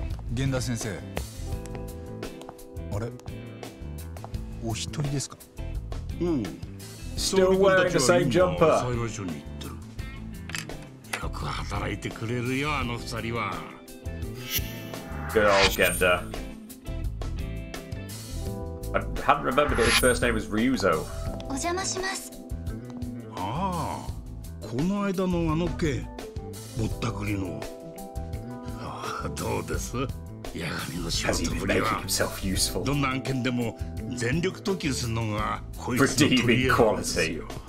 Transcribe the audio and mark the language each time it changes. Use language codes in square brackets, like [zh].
[ja] 源田先生、あれ、お一人ですか？ [en] うん。Still wearing the same jumper. [ja] 最後に言ってる。よく働いてくれるよ、あの二人は。 [en] Good old Genda. I hadn't remembered that his first name was Ryuzo. [ja] お邪魔します。ああ、この間のあの件、ぼったくりの。どうです？ヤガミの仕事ぶりは、どんな案件でも全力投球するのがこいつの取り柄なんですよ。